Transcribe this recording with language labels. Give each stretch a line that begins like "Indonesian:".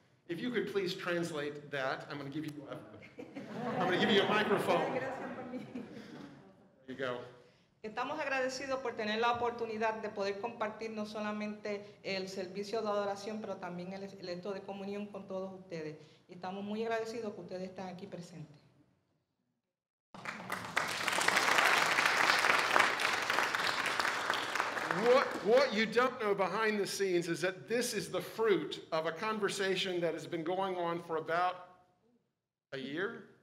English: If you could please translate that, I'm going to give you a microphone. There you go.
Spanish: Estamos agradecidos por tener la oportunidad de poder compartir no solamente el servicio de adoración, pero también el acto de comunión con todos ustedes. Y estamos muy agradecidos que ustedes estén aquí presentes.
English: What you don't know behind the scenes is that this is the fruit of a conversation that has been going on for about a year.